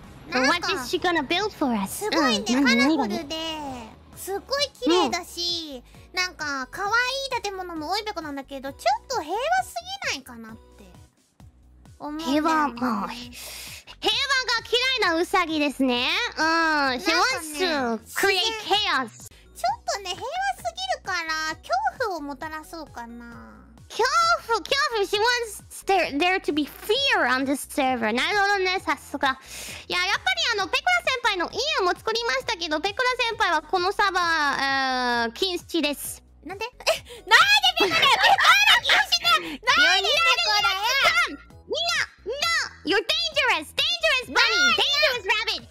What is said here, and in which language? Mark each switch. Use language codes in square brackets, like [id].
[en] So what is she gonna build for us? [ja] すごいね、うん、カラフルですごい綺麗だし、うん、なんか可愛い建物も多いべこなんだけど、ちょっと平和すぎないかなって思うね。平和、まあ、平和が嫌いなウサギですね。うん、 [en] She wants to create chaos。 [ja] ちょっとね、平和すぎるから恐怖をもたらそうかな。恐怖、恐怖。 [en] She wants there to be fear on this server。 [ja] なるほどね、さすが。いや、やっぱりペコラ先輩の家も作りましたけど、ペコラ先輩はこのサーバー、禁止です。なんで？なんでペコラ、ペコラ禁止だ。なんでペコラ、ペコラ、みんな、みんな、 [en] You're dangerous! Dangerous bunny! Dangerous rabbit!